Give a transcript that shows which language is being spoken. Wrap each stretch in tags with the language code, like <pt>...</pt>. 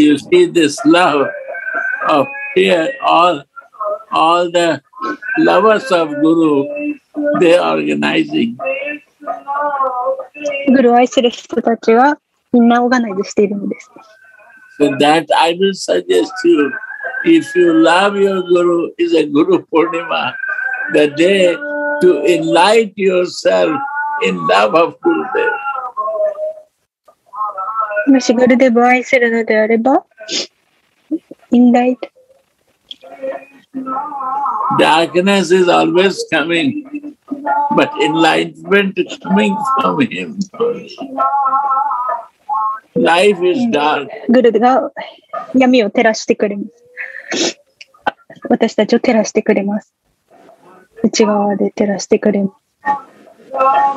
<en>You see this love ofHere, all the lovers of Guru, they are organizing.</en> <ja>Guru 愛する人たちはみんなオーガナイズしているんです。</ja> <en>that I will suggest to you. If you love your guru, is a Guru Purnima, the day to enlighten yourself in love of Gurudev.</en> <ja>もしグルデブを愛するのであれば、インライト。</ja> <en>Darkness is always coming, but enlightenment is coming from him. Life is dark.</en> <ja>グルデが闇を照らしてくれます。私たちを照らしてくれます。内側で照らしてくれます。</ja>